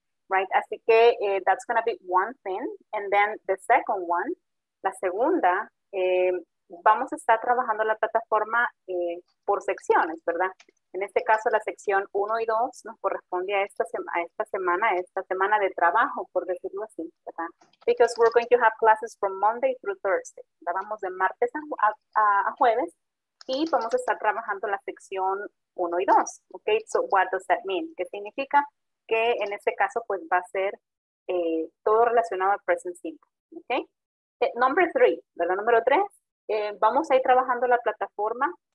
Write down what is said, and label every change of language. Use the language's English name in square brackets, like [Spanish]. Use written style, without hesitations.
[English] Right, [Spanish] así que [English] that's going to be one thing, and then the second one, [Spanish] la segunda, vamos a estar trabajando la plataforma por secciones, ¿verdad? En este caso, la sección 1 y 2 nos corresponde a esta semana de trabajo, por decirlo así, ¿verdad? [English] Because we're going to have classes from Monday through Thursday, ¿verdad? [Spanish] Vamos de martes a jueves, y vamos a estar trabajando la sección 1 y 2, ¿ok? [English] So, what does that mean? [Spanish] ¿Qué significa? Que en este caso, pues, va a ser todo relacionado al present simple, ¿ok? [English] Number three, [Spanish] ¿verdad? Número tres, vamos a ir trabajando la plataforma.